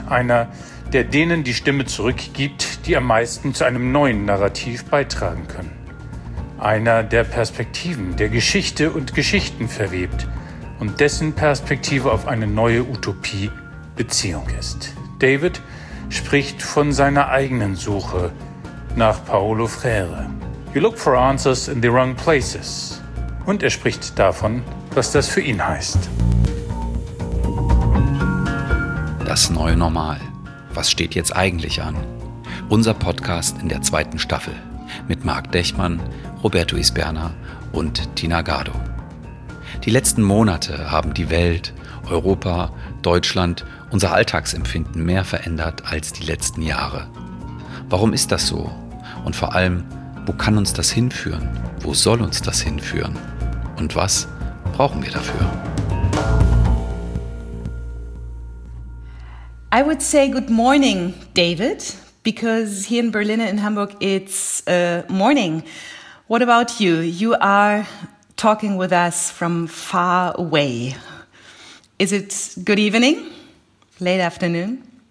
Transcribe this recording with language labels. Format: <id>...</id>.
<de>Einer, der denen die Stimme zurückgibt, die am meisten zu einem neuen Narrativ beitragen können. Einer, der Perspektiven, der Geschichte und Geschichten verwebt und dessen Perspektive auf eine neue Utopie Beziehung ist. David spricht von seiner eigenen Suche nach Paulo Freire.</de> <en>You look for answers in the wrong places.</en> <de>Und er spricht davon, was das für ihn heißt. Das neue Normal. Was steht jetzt eigentlich an? Unser Podcast in der zweiten Staffel mit Marc Dechmann, Roberto Isberna und Tina Gardo. Die letzten Monate haben die Welt, Europa, Deutschland, unser Alltagsempfinden mehr verändert als die letzten Jahre. Warum ist das so? Und vor allem, wo kann uns das hinführen? Wo soll uns das hinführen? Und was brauchen wir dafür?</de> <en>I would say good morning, David, because here in Berlin and in Hamburg it's morning. What about you? You are talking with us from far away. Is it good evening? Late afternoon?</en>